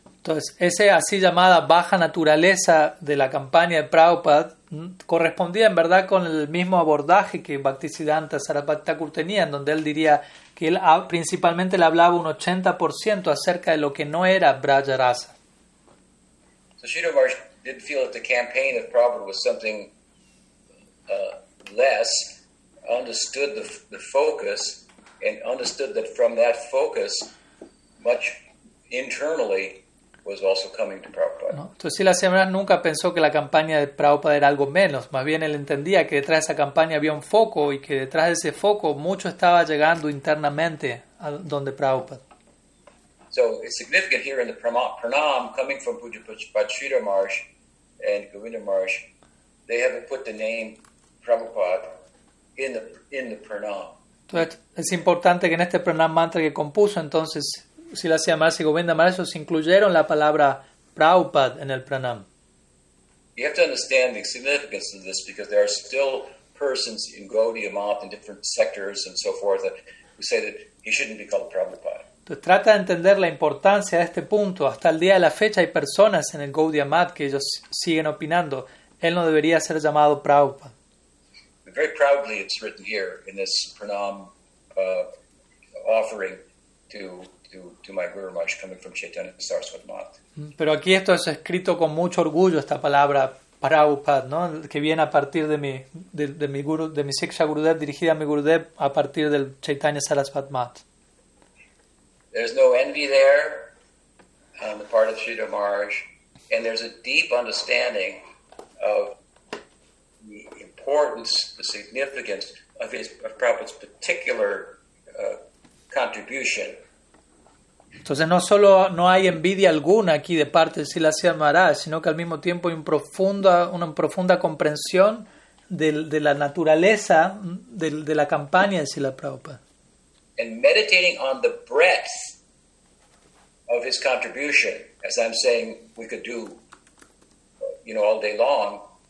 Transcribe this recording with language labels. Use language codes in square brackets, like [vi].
[es] Entonces, esa así llamada baja naturaleza de la campaña de Prabhupada correspondía en verdad con el mismo abordaje que Bhaktisiddhanta Sarasvati Thakur tenía, en donde él diría que él principalmente le hablaba un 80% acerca de lo que no era Braja Rasa. [en] So Sridhar Maharaj didn't feel that the campaign of Prabhupada was something less, understood the focus, and understood that from that focus, much internally, was also coming to Prabhupada. [es] No. Entonces Srila Semaraj nunca pensó que la campaña de Prabhupada era algo menos. Más bien él entendía que detrás de esa campaña había un foco y que detrás de ese foco mucho estaba llegando internamente a donde Prabhupada. [en] So it's significant here in the pranam coming from Pujapachita Marsh and Govinda Marsh, they haven't put the name Prabhupada in the pranam. [es] Entonces, es importante que en este pranam mantra que compuso, entonces, si la hacía más y Govinda Marsh, ellos incluyeron la palabra Prabhupada en el pranam. [en] You have to understand the significance of this because there are still persons in Gaudiya Math and different sectors and so forth that who say that he shouldn't be called Prabhupada. [es] Entonces, trata de entender la importancia de este punto. Hasta el día de la fecha hay personas en el Gaudiya Math que ellos siguen opinando. Él no debería ser llamado Prabhupada. [en] Very proudly it's written here in this pranam offering to my Guru Maharaj coming from Chaitanya Saraswat Math. [es] Pero aquí esto es escrito con mucho orgullo, esta palabra Prabhupada, ¿no? Que viene a partir de mi Siksha Gurudev, dirigida a mi Gurudev a partir del Chaitanya Saraswat Math. [en] There's no envy there on the part of Srila Maharaj, and there's a deep understanding of the importance, the significance of Prabhupada's particular contribution. [es] Entonces no solo no hay envidia alguna aquí de parte de Srila Maharaj, sino que al mismo tiempo hay una profunda comprensión de la naturaleza de la campaña de Srila Prabhupada. [en] And meditating on the breadth of his contribution, as I'm saying, we could do, you know, all day long.